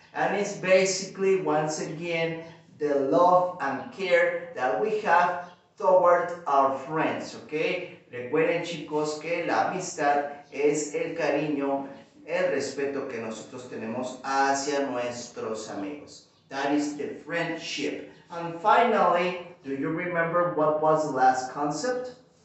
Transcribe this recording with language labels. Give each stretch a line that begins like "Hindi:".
English: And it's basically, once again, the love and care that we have toward our friends, ¿ok?
Spanish: Recuerden, chicos, que la amistad es el cariño, el respeto que nosotros tenemos hacia nuestros amigos.
English: That is the friendship. And finally, do you remember what was the last concept?